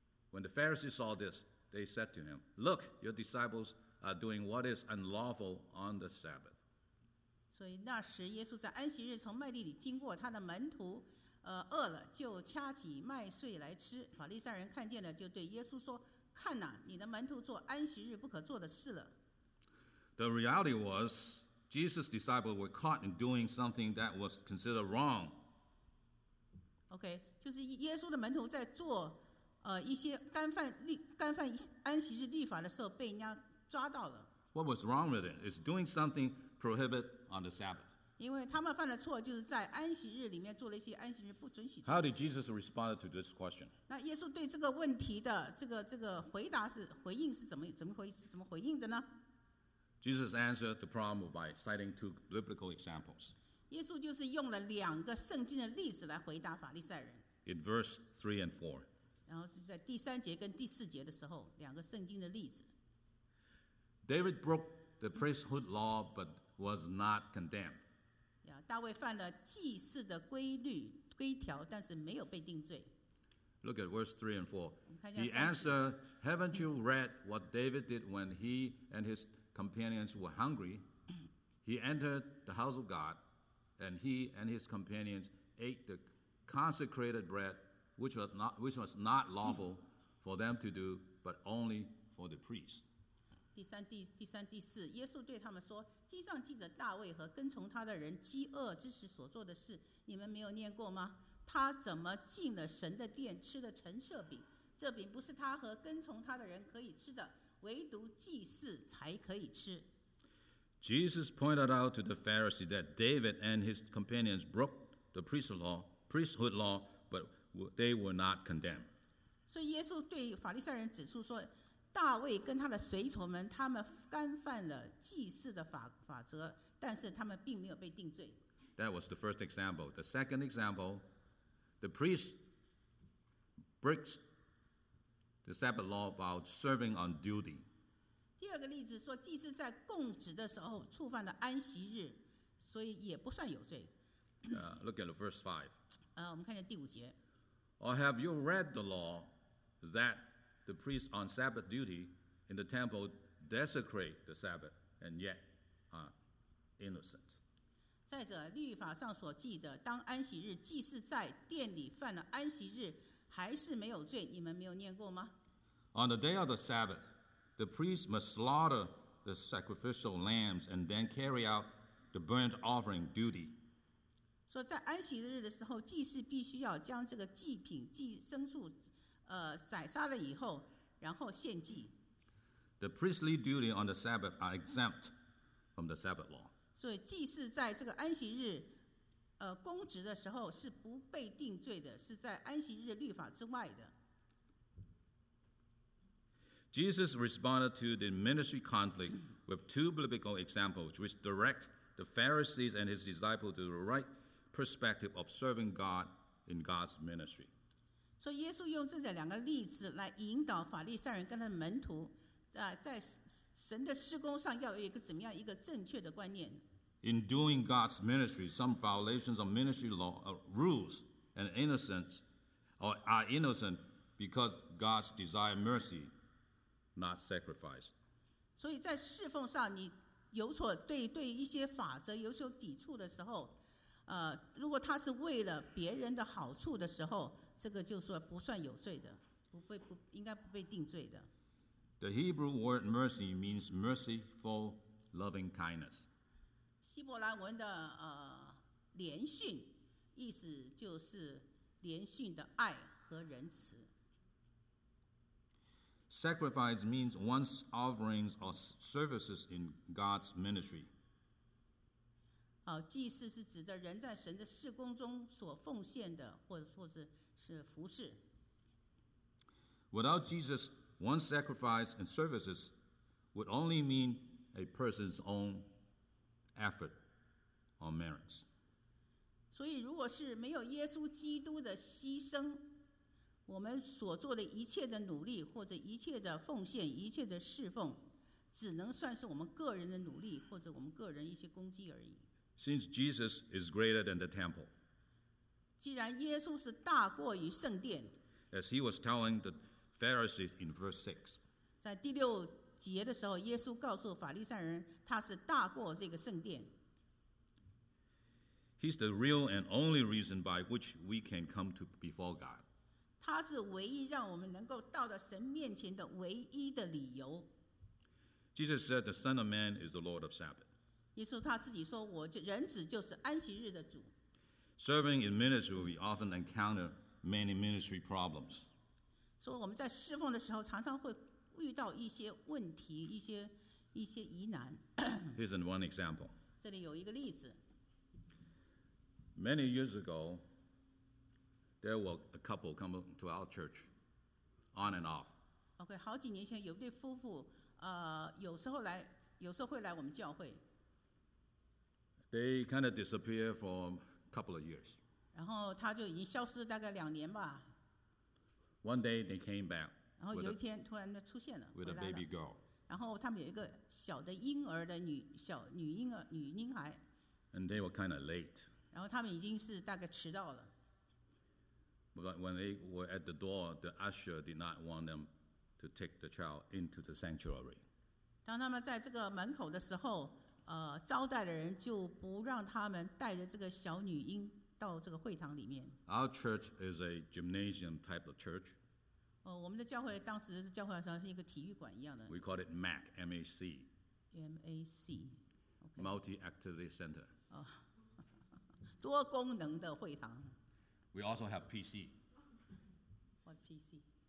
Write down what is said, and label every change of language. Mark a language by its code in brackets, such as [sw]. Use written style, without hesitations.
[en] When the Pharisees saw this, they said to him, "Look, your disciples are doing what is unlawful on the Sabbath." [zh] 所以那时耶稣在安息日从麦地里经过，他的门徒饿了，就掐起麦穗来吃。法利赛人看见了，就对耶稣说。看哪，你的门徒做安息日不可做的事了。 [en] The reality was, Jesus' disciples were caught in doing something that was considered wrong. [zh] Okay, 就是耶稣的门徒在做一些干犯安息日律法的时候被人家抓到了。 [en] What was wrong with it? It's doing something prohibited on the Sabbath. [zh] 因为他们犯的错就是在安息日里面做了一些安息日不准许。 [en] How did Jesus respond to this question? [zh] 那耶稣对这个问题的这个回答是回应是怎么回应的呢？ [en] Jesus answered the problem by citing two biblical examples. [zh] 耶稣就是用了两个圣经的例子来回答法利赛人。 [en] In verse 3 and 4. [zh] 然后是在第三节跟第四节的时候，两个圣经的例子。 [en] David broke the priesthood law but was not condemned. [zh] 大卫犯了祭祀的规律规条，但是没有被定罪。 [en] Look at verse 3 and 4. He answered, "Haven't you read what David did when he and his companions were hungry? He entered the house of God, and he and his companions ate the consecrated bread, which was not lawful for them to do, but only for the priest." [zh] 第三、第四，耶稣对他们说：“经上记着大卫和跟从他的人饥饿之时所做的事，你们没有念过吗？他怎么进了神的殿，吃了陈设饼？这饼不是他和跟从他的人可以吃的，唯独祭司才可以吃。” [en] Jesus pointed out to the Pharisees that David and his companions broke the priesthood law, but they were not condemned. [zh] 所以耶稣对法利赛人指出说。大卫跟他的随从们，他们干犯了祭祀的法则，但是他们并没有被定罪。 [en] That was the first example. The second example, the priest breaks the Sabbath law about serving on duty. [zh] 第二个例子说，祭司在供职的时候触犯了安息日，所以也不算有罪。 [en] Look at the verse 5. [zh] 我们看见第五节。 [en] Or have you read the law that? The priests on Sabbath duty in the temple desecrate the Sabbath, and yet are innocent. [zh] 再者，律法上所记的，当安息日，祭司在殿里犯了安息日，还是没有罪。你们没有念过吗？ [en] On the day of the Sabbath, The priest must slaughter the sacrificial lambs and then carry out the burnt offering duty. [zh] 说在安息日的时候，祭司必须要将这个祭品、祭牲畜，宰杀了以后，然后献祭。 [en] The priestly duty on the Sabbath are exempt from the Sabbath law. [zh] 所以祭司在这个安息日，公职的时候是不被定罪的，是在安息日律法之外的。 [en] Jesus responded to the ministry conflict with two biblical examples, which direct the Pharisees and his disciples to the right perspective of serving God in God's ministry. [zh] 所以耶稣用这两个例子来引导法利赛人跟他的门徒，在神的事工上要有一个怎么样一个正确的观念。 [en] In doing God's ministry, some violations of ministry law, rules and innocence are innocent because God's desire mercy, not sacrifice. [zh] 所以在侍奉上你有所对一些法则有所抵触的时候，如果他是为了别人的好处的时候，这个就说不算有罪的，应该不被定罪的。 [en] The Hebrew word mercy means merciful loving kindness. [zh] 希伯来文的怜恤，意思就是怜恤的爱和仁慈。 [en] Sacrifice means one's offerings or services in God's ministry. [zh] 祭司是指着人在神的事工中所奉献的，或者是服事。 [en] Without Jesus, one's sacrifice and services would only mean a person's own effort or merits. [zh] 所以，如果是没有耶稣基督的牺牲，我们所做的一切的努力或者一切的奉献一切的侍奉只能算是我们个人的努力或者我们个人一些功绩而已。 [en] Since Jesus is greater than the temple, [zh] 既然耶稣是大过于圣殿， [en] as he was telling the Pharisees in verse 6, [zh] 在第六节的时候耶稣告诉法利赛人他是大过这个圣殿。 [en] He's the real and only reason by which we can come to before God. [zh] 他是唯一让我们能够到达神面前的唯一的理由。 [en] Jesus said the Son of Man is the Lord of Sabbath. [zh] 耶稣他自己说我人子就是安息日的主。 [en] Serving in ministry we often encounter many ministry problems. [zh] 所以我们在侍奉的时候常常会遇到一些问题一些疑难。 [en] Here's one example. [zh] 这里有一个例子。 [en] Many years ago,There were a couple come to our church, on and off. [zh] Okay, 好几年前有对夫妇，有时候来，有时候会来我们教会。 [en] They kind of disappear for a couple of years. [zh] 然后他就已经消失大概两年吧。 [en] One day they came back. [zh] 然后有一天突然出现了。 [en] With a baby girl. [zh] 然后他们有一个小的婴儿的女婴孩。 [en] And they were kind of late. [zh] 然后他们已经是大概迟到了。 [en] But when they were at the door, the usher did not want them to take the child into the sanctuary. [zh] 当他们在这个门口的时候，招待的人就不让他们带着这个小女婴到这个会堂里面。 [en] Our church is a gymnasium type of church. [zh] 我们的教会当时教会上是一个体育馆一样的。 [en] We call it MAC, M-A-C. M-A-C. Okay. Multi Activity Center. [zh] 多功能的会堂。 [en] We also have PC. What's PC?